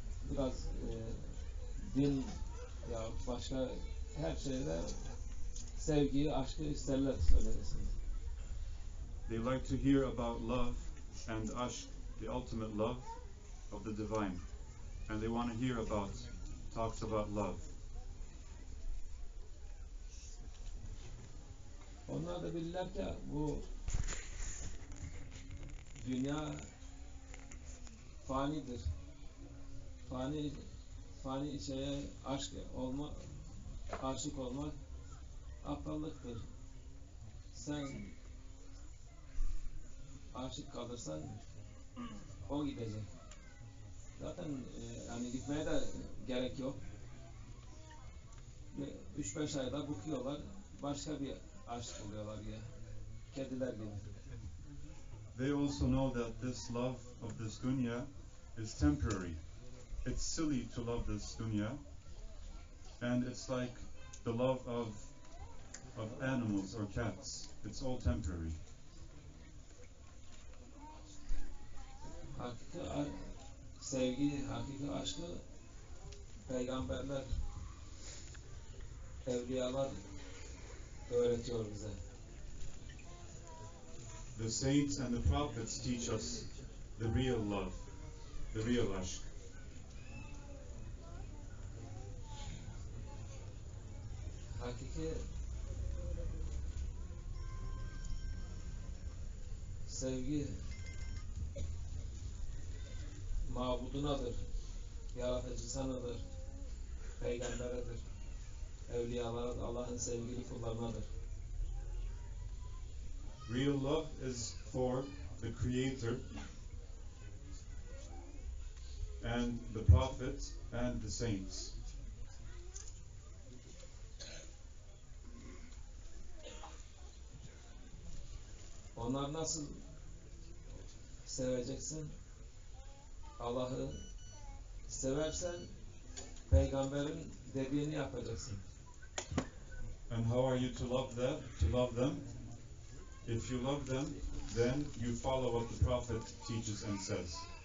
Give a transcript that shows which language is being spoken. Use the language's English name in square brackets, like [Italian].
[Turkish] Biraz din ya başka her şeyde sevgiyi, aşkı isterler söylesin. [English] They like to hear about love and aşk, the ultimate love of the divine, and they want to hear about talks about love. [Turkish] Onlar da bilirler ki bu dünya fanidir. Fani şeye aşk olma, aşık olmak aptallıktır. Sen aşık kalırsan o gidecek. Zaten yani gitmeye de gerek yok. 3-5 ayda bıkıyorlar, başka bir aşık oluyorlar ya. Kediler gibi. [English] They also know that this love of this dunya is temporary. It's silly to love this dunya, and it's like the love of animals or cats. It's all temporary. [Turkish] Hakiki sevgi, hakiki aşkı peygamberler, evliyalar öğretiyor bize. [English] The saints and the prophets teach us the real love, the real aşk. [Turkish] Hakiki sevgi mabudunadır, yaratıcısınadır, peygamberedir, evliyalara, Allah'ın sevgili kullarınadır. [English] Real love is for the creator and the prophet and the saints. [Turkish] Onlar nasıl seveceksin Allah'ı. Seversen peygamberin dediğini yapacaksın. [English] And how are you to love that? To love them? If you love them, then you follow what the prophet teaches and says.